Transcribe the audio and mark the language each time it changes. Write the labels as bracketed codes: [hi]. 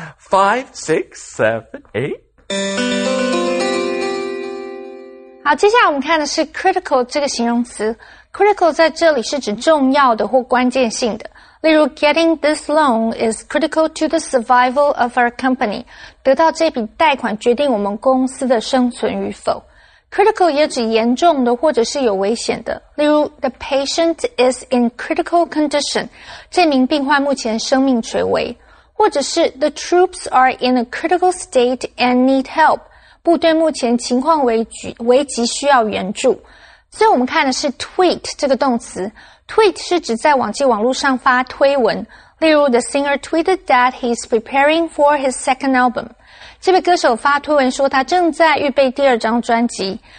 [en] 5, 6, 7, 8. [zh] 好，接下来我们看的是 critical 这个形容词。Critical 在这里是指重要的或关键性的。例如 [en] ,getting this loan is critical to the survival of our company. [zh] 得到这笔贷款决定我们公司的生存与否。 Critical 也指严重的或者是有危险的。例如 , [en] the patient is in critical condition. [zh] 这名病患目前生命垂危。或者是 ,the troops are in a critical state and need help. 部队目前情况危急需要援助。所以我们看的是 tweet 这个动词。 [en] Tweet [zh] 是指在网际网络上发推文，例如 [en] The singer tweeted that he's preparing for his second album. [zh] 这位歌手发推文说他正在预备第二张专辑。